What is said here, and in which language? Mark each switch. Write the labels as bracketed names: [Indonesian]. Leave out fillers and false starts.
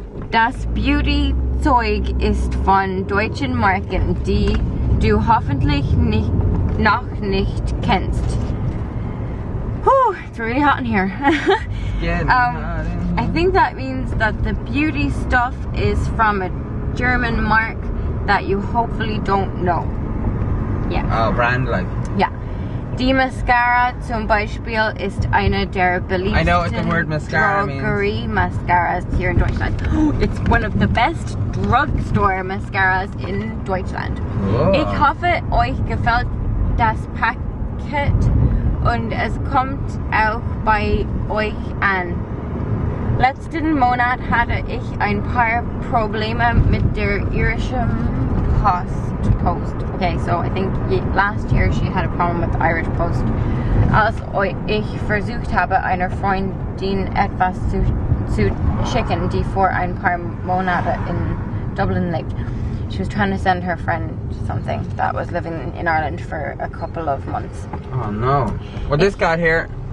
[German] Das Beauty Zeug ist von deutschen Marken, die du hoffentlich noch nicht kennst. [English] Whew, it's really hot in here. I think that means that the beauty stuff is from a German mark that you hopefully don't know. Yeah. Oh, brand like. Yeah. [German] Die Mascara zum Beispiel ist eine der beliebtesten. [English] I know what the word mascara [German] drogerie [English] means. Mascaras here in Deutschland. It's one of the best drugstore mascaras in Deutschland. Whoa. [German] Ich hoffe, euch gefällt das Paket und es kommt auch bei euch an. Letzten Monat hatte ich ein paar Probleme mit der irischen Post. [English] Okay, so I think last year she had a problem with the Irish Post. [German] Als ich versucht habe, einer Freundin etwas zu schicken, die vor ein paar Monate in Dublin lived. [English] She was trying to send her friend something that was living in Ireland for a couple of months. Oh no. Well, this guy here.